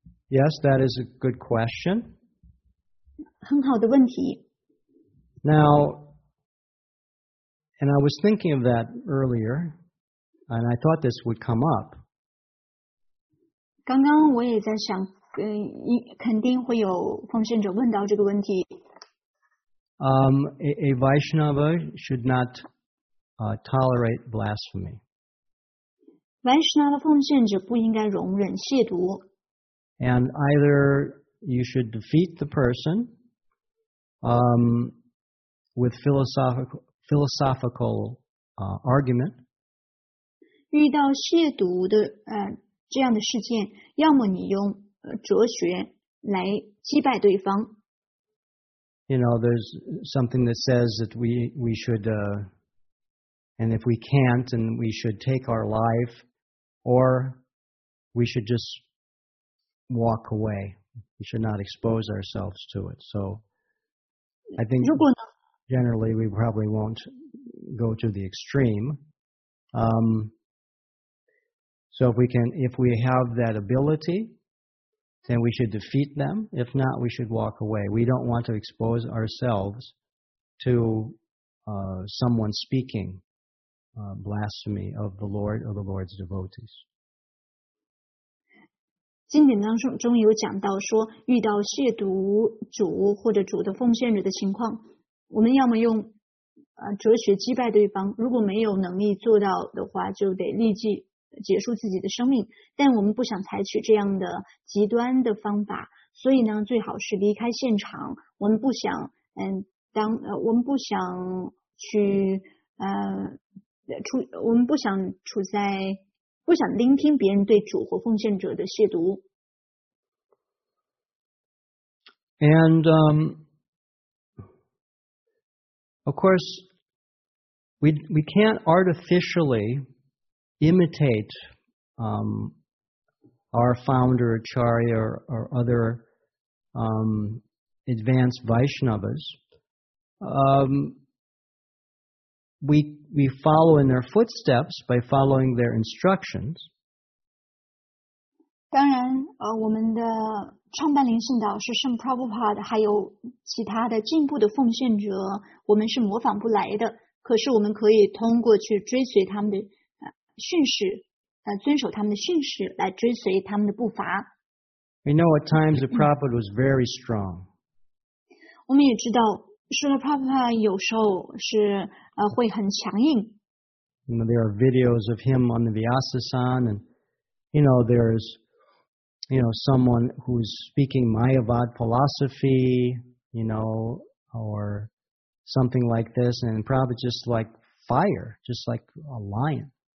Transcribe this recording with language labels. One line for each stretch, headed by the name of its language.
English: Yes, that is a good question.
Chinese: 很好的问题。
English: Now, and I was thinking of that earlier, and I thought this would come up.
Chinese: 刚刚我也在想，肯定会有奉献者问到这个问题。
English: A Vaishnava should not tolerate blasphemy.
Chinese: Vaishnava 奉献者不应该容忍亵渎。
English: And either you should defeat the person with philosophical argument.
Chinese: 遇到亵渎的这样的事件，要么你用哲学来击败对方。
English: You know, there's something that says that we should, and if we can't, and we should take our life, or we should just walk away. We should not expose ourselves to it. So I think generally we probably won't go to the extreme. So if we have that ability,then we should defeat them. If not, we should walk away. We don't want to expose ourselves to someone speaking blasphemy of the Lord or the Lord's devotees.
Chinese: 经典当中有讲到说，遇到亵渎主或者主的奉献者的情况，我们要么用哲学击败对方，如果没有能力做到的话，就得立即结束自己的生命，但我们不想采取这样的极端的方法，所以呢，最好是离开现场。我们不想，我们不想去，我们不想处在，不想聆听别人对主或奉献者的亵渎。
English: And of course, we can't artificiallyimitate our founder Acharya or other advanced Vaishnavas. We follow in their footsteps by following their instructions.
Chinese: 当然，我们的创办灵性导师圣 Prabhupada 还有其他的进步的奉献者，我们是模仿不来的。可是我们可以通过去追随他们的训示，遵守他们的训示，来追随他们的步伐。
English: We know at times the Prabhupada was very strong.
Chinese: 我们也知道，是的 ，Prabhupada 有时候是会很强硬。
English: You know, there are videos of him on the Vyasasan, and you know there's you know someone who's speaking Mayavad philosophy, you know, or something like this, and Prabhupada just like fire, just like a lion.